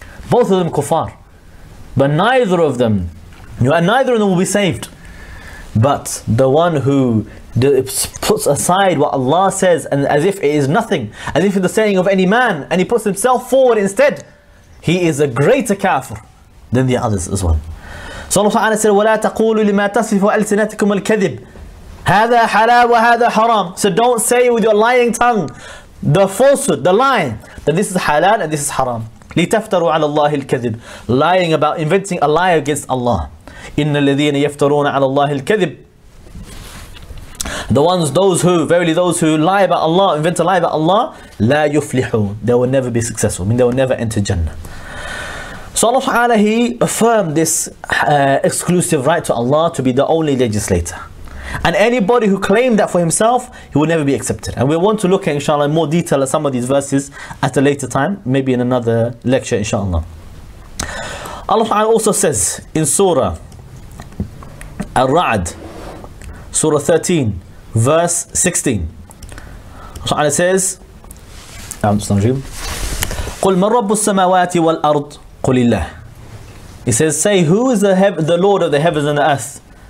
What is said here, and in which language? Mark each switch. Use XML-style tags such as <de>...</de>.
<en>Both of them kuffar, but neither of them, you know, and neither of them will be saved. But the one who puts aside what Allah says and as if it is nothing, as if it's the saying of any man, and he puts himself forward instead, he is a greater kafir than the others as well. So Allah Ta'ala said,</en> <ar>وَلَا تَقُولُوا لِمَا تَصِفُوا أَلْسِنَتِكُمُ الْكَذِبُ هَذَا حَلَالٌ وَهَذَا حَرَامٌ.</ar> <en>So don't say with your lying tongue the falsehood, the lying, that this is halal and this is haram.</en> <ar>لِتَفْتَرُوا عَلَى اللَّهِ الْكَذِبُ.</ar> <en>Lying about, inventing a lie against Allah.</en> <ar>إِنَّ الَّذِينَ يَفْتَرُونَ عَلَى اللَّهِ الْكَذِبُ.</ar> <en>Those who lie about Allah, invent a lie about Allah,</en> <ar>لَا يُفْلِحُونَ.</ar> <en>They will never be successful. I mean, they will never enter Jannah. So Allah Ta'ala, he affirmed this exclusive right to Allah to be the only legislator. And anybody who claimed that for himself, he would never be accepted. And we want to look at, inshallah, in more detail at some of these verses at a later time, maybe in another lecture, inshallah. Allah Ta'ala also says in Surah Al-Ra'd, Surah 13, verse 16. Allah Ta'ala says,</en> <ar>قُلْ مَنْ رَبُّ السَّمَاوَاتِ وَالْأَرْضِ.</ar> <en>He says, say, who is the Lord of the heavens and the earth?</en>